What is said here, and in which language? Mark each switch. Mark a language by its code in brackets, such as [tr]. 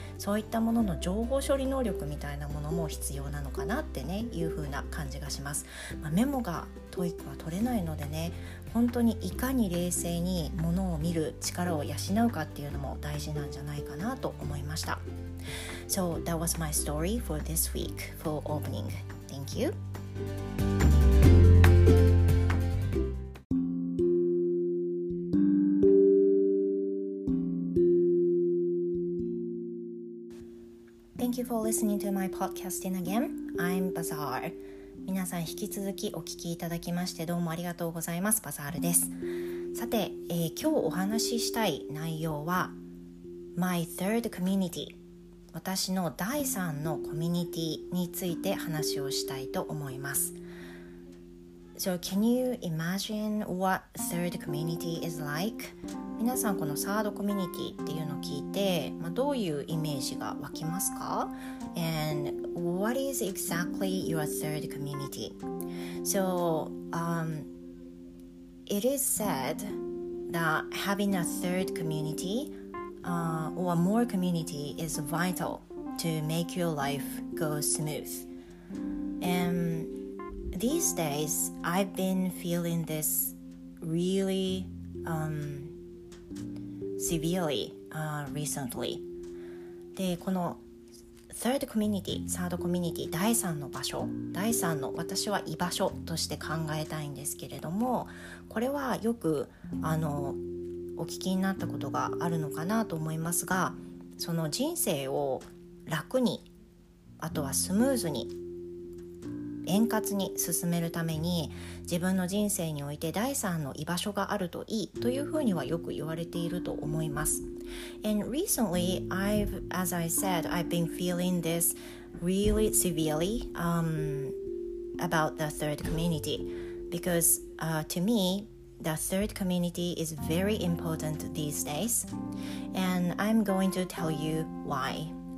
[ja] そういったものの情報処理能力みたいなものも必要なのかなってね、いう風な感じがします。まあ、メモがTOEICは取れないのでね、本当にいかに冷静にものを見る力を養うかっていうのも大事なんじゃないかなと思いました。 [en] So that was my story for this week for opening. Thank you. Thank you for listening to my podcasting again. I'm Bazaar. [ja] 皆さん引き続きお聞きいただきましてどうもありがとうございます。 Bazaarです。さて、今日お話ししたい内容は [en] My third community. [ja] 私の第3のコミュニティについて話をしたいと思います。 [en] So can you imagine what third community is like? [ja] 皆さんこのサードコミュニティっていうのを聞いて、まあ、どういうイメージが湧きますか? [en] And what is exactly your third community? So, it is said that having a third community, or more community is vital to make your life go smooth. And these days, I've been feeling this really, severely, recently. [ja] で、この [en] third community, third community, [ja] 第三の場所、第三の私は居場所として考えたいんですけれども、これはよくお聞きになったことがあるのかなと思いますが、その人生を楽に、あとはスムーズに、円滑に進めるために自分の人生において第三の居場所があるといいというふうにはよく言われていると思います。 [en] And recently, I've been feeling this really severely, about the third community because, to me, the third community is very important these days and I'm going to tell you why.